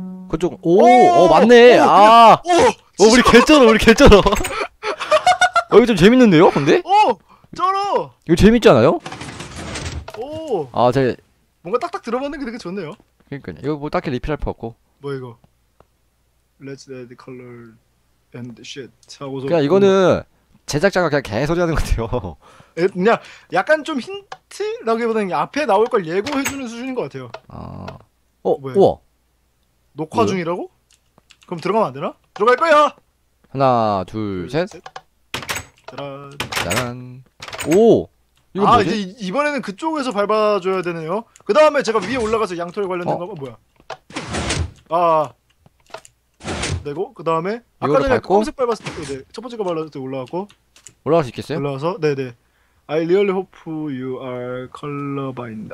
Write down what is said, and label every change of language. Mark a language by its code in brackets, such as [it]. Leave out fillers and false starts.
[ko] 그쪽, 맞네. 그냥, 아! 지저! 우리 개쩔어, 우리 개쩔어. 여기 좀 재밌는데요, 근데? 쩔어! 이거 재밌지 않아요? 아, 제. 뭔가 딱딱 들어맞는 게 되게 좋네요. 그니까요. 이거 뭐 딱히 리필할 필요 없고. 뭐 이거? [en] Let's add the color and shit. [ko] 하고서 그냥 뭐. 이거는 제작자가 그냥 개소리 하는 것 같아요. 그냥 약간 좀 힌트라기보다는 앞에 나올 걸 예고해주는 수준인 것 같아요. 뭐야 이거? 우와. 녹화 뭐요? 중이라고? 그럼 들어가면 안 되나? 들어갈 거야! 하나, 둘, 둘, 셋. 셋. 짜란. 짜란. 오! 이건 아, 뭐지? 이제 이번에는 그쪽에서 밟아줘야 되네요. 그 다음에 제가 위에 올라가서 양털 관련된 거, 뭐야. 아. 내고, 그 다음에, 아까 이거를 전에 밟고 검은색 밟았을 때, 네. 첫 번째 거 발랐을 때 올라왔고. 올라갈 수 있겠어요? 올라와서, 네네. [en] I really hope you are colorblind.